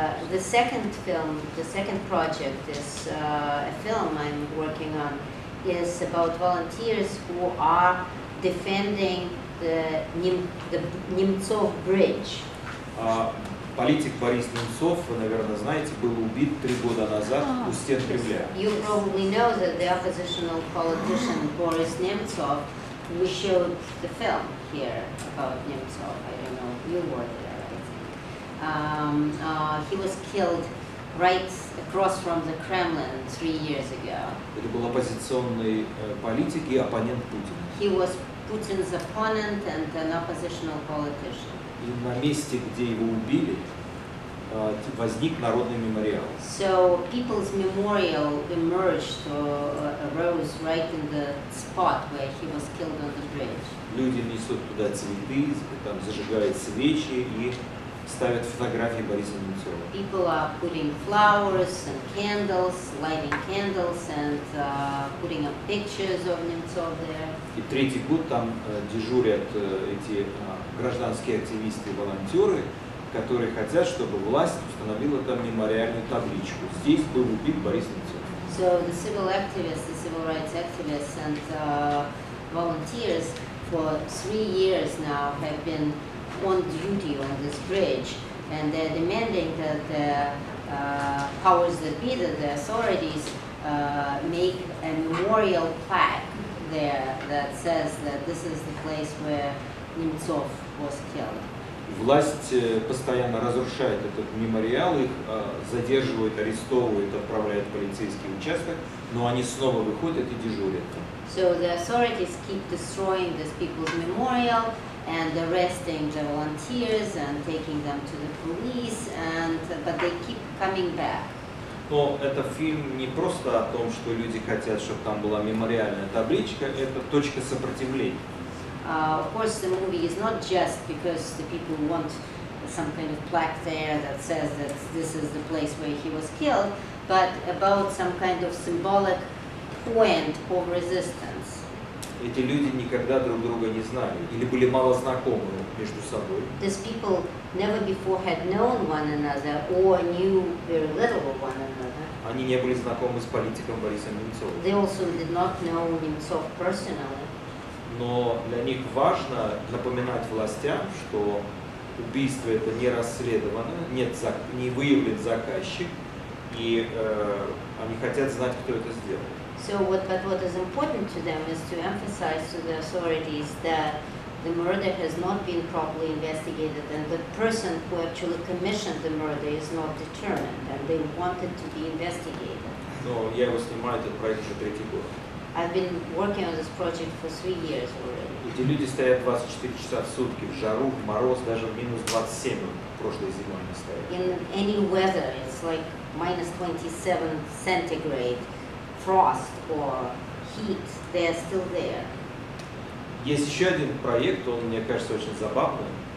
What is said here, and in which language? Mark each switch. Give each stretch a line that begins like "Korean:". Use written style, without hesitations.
English: The second project is a film I'm working on, is about volunteers who are defending the Немцов bridge.
Russian: Политик Борис Немцов, вы, наверное, знаете, был убит 3 года назад у стен Кремля.
English: You probably know that the oppositional politician Boris Nemtsov, we showed the film here about Nemtsov. I don't know if you were there. He was killed right across from the Kremlin 3 years ago.
Russian: Это был оппозиционный политик и оппонент Путина.
English: He was Putin's opponent and an oppositional politician.
Russian: И на месте, где его убили, возник народный мемориал.
English: So people's memorial emerged or arose right in the spot where he was killed on the bridge.
Russian: Люди несут туда цветы, там зажигают свечи и ставят фотографии Бориса Немцова.
English: People are putting flowers and candles, lighting candles and putting up pictures of Nemtsov there.
Russian: И третий год там дежурят эти гражданские активисты, волонтеры, которые хотят, чтобы власть установила там мемориальную табличку. Здесь был убит Борис Немцов.
English: So the civil activists, the civil rights activists and volunteers for 3 years now have been on duty on this bridge, and they're demanding that the powers that be, that the authorities, make a memorial plaque there that says that this is the place where Nemtsov was killed.
Russian: Власть постоянно разрушает этот мемориал, их задерживают, арестовывают, отправляют в полицейский участок, но они снова выходят и дежурят.
English: So the authorities keep destroying this people's memorial and arresting the volunteers and taking them to the police, and but they keep coming back.
Russian: Но это фильм не просто о том, что люди хотят, чтобы там была мемориальная табличка, это точка сопротивления.
English: Of course, the movie is not just because the people want some kind of plaque there that says that this is the place where he was killed, but about some kind of symbolic point of resistance.
Russian: Эти люди никогда друг друга не знали или были мало знакомы между собой.
English: These people never before had known one another or knew very little of one another.
Russian: Они не были знакомы с политиком Борисом Немцовым.
English: They also did not know Nemtsov personally.
Russian: Но для них важно напоминать властям, что убийство это не расследовано, не выявлен заказчик, и они хотят знать, кто это сделал.
English: So what is important to them is to emphasize to the authorities that the murder has not been properly investigated and the person who actually commissioned the murder is not determined and they want it to be investigated.
Russian: Но я его снимаю этот проект уже третий год.
English: I've been working on this project for 3 years already.
Russian: Эти люди стоят 24 часа в сутки в жару, в мороз, даже в минус 27 прошлой зимой они стоят.
English: In any weather, it's like minus 27 centigrade. Frost or heat, they are still there.
Russian: Есть еще один проект, он мне кажется очень забавным.